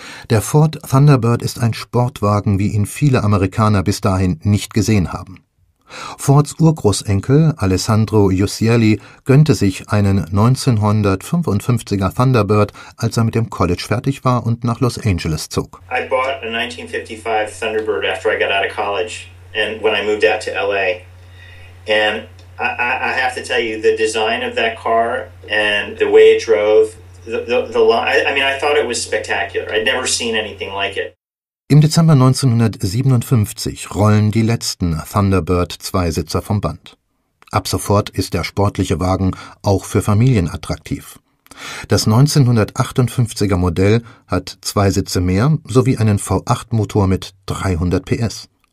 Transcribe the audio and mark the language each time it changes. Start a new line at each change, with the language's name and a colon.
German: Der Ford Thunderbird ist ein Sportwagen, wie ihn viele Amerikaner bis dahin nicht gesehen haben. Fords Urgroßenkel Alessandro Uccelli gönnte sich einen 1955er Thunderbird, als er mit dem College fertig war und nach Los Angeles zog.
English: I bought a 1955 Thunderbird after I got out of college and when I moved out to LA. And I have to tell you, the design of that car and the way it drove, I thought it was spectacular. I'd never seen anything like it.
German: Im Dezember 1957 rollen die letzten Thunderbird-Zweisitzer vom Band. Ab sofort ist der sportliche Wagen auch für Familien attraktiv. Das 1958er Modell hat 2 Sitze mehr sowie einen V8-Motor mit 300 PS.